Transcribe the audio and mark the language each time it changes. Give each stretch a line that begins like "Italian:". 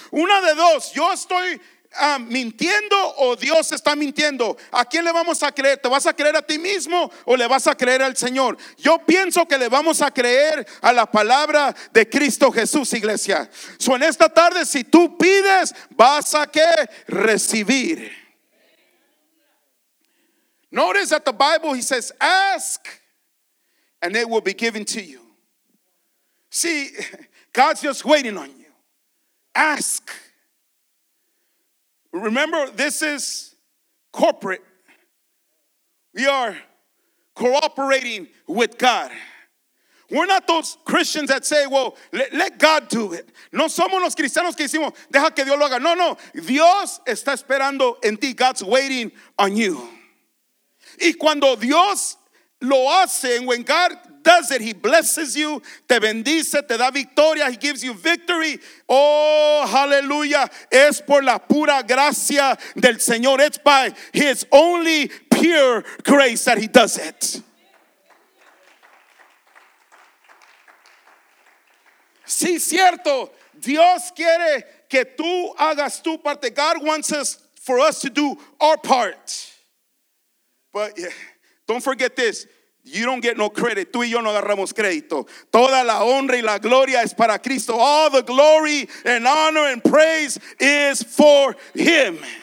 Spanish: Una de dos, yo estoy mintiendo o Dios está mintiendo. ¿A quién le vamos a creer? ¿Te vas a creer a ti mismo o le vas a creer al Señor? Yo pienso que le vamos a creer a la palabra de Cristo Jesús, iglesia. So, en esta tarde, si tú pides, ¿vas a qué? Recibir.
English: Notice that the Bible, he says, ask and it will be given to you. See, God's just waiting on you. Ask. Remember, this is corporate. We are cooperating with God. We're not those Christians that say, well, let God do it.
Spanish: No somos los cristianos que decimos, deja que Dios lo haga. No, no. Dios está esperando en ti.
English: God's waiting on you.
Spanish: Y cuando Dios lo hace,
English: when God does it, he blesses you,
Spanish: te bendice, te da victoria,
English: he gives you victory. Oh, hallelujah.
Spanish: Es por la pura gracia del Señor.
English: It's by his only pure grace that he does it.
Spanish: Sí, cierto. Dios quiere que tú hagas tu parte.
English: God wants us for us to do our part. But yeah, don't forget this, you don't get no credit,
Spanish: tú y yo no agarramos crédito. Toda la honra y la gloria es para Cristo.
English: All the glory and honor and praise is for him.